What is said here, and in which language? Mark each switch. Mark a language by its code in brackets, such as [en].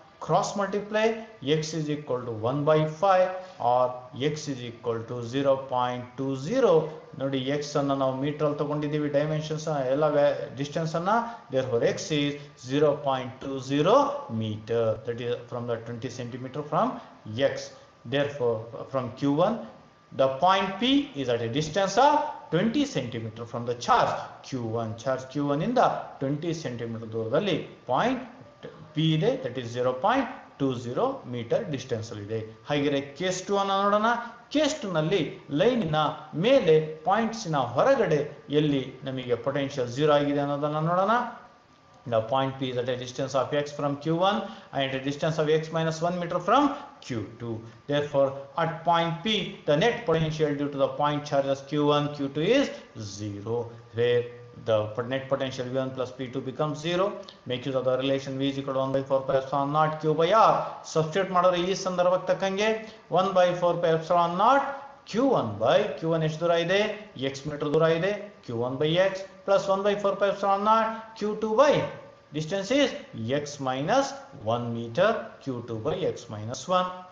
[en] Cross multiply x is equal to 1 by 5 or x is equal to 0.20. [kn] ನೋಡಿ X ಅನ್ನು ನಾವು ಮೀಟ್ರಲ್ಲಿ ತಗೊಂಡಿದ್ದೀವಿ, dimensions ಎಲ್ಲ ಡಿಸ್ಟೆನ್ಸ್ ಅನ್ನ. [en] Therefore x is 0.20 metre, that is from the 20 centimetre from x. Therefore from Q 1 the point P is at a distance of 20 cm from the charge Q1. Charge Q1 in the 20 cm ದೂರದಲ್ಲಿ point P ಇದೆ, that is 0.20 meter distance ಇದೆ. [kn] ಹಾಗಿದ್ರೆ case 2 ಅನ್ನು ನೋಡೋಣ. Case 2 ನಲ್ಲಿ ಲೈನ್ನ ಮೇಲೆ ಪಾಯಿಂಟ್ಸ್ನ ಹೊರಗಡೆ ಎಲ್ಲಿ ನಮಗೆ ಪೊಟೆನ್ಷಿಯಲ್ 0 ಆಗಿದೆ ಅನ್ನೋದನ್ನು ನೋಡೋಣ. [en] The point P is at a distance of x from Q1 and at a distance of x minus 1 meter from Q2. Therefore, at point P, the net potential due to the point charges Q1, Q2 is 0, where the net potential V1 plus P2 becomes 0. Make use of the relation V is equal to 1 by 4 pi epsilon naught Q by R. Substitute [kn] madare ee sandarbhakke takkange [en] 1 by 4 pi epsilon naught Q1 by Q1 [kn] ಎಷ್ಟು ದೂರ ಇದೆ, [en] X metre ದೂರ ಇದೆ, Q one by X plus 1 by 4 pi epsilon naught Q 2 by distance is X minus 1 metre Q 2 by X minus 1.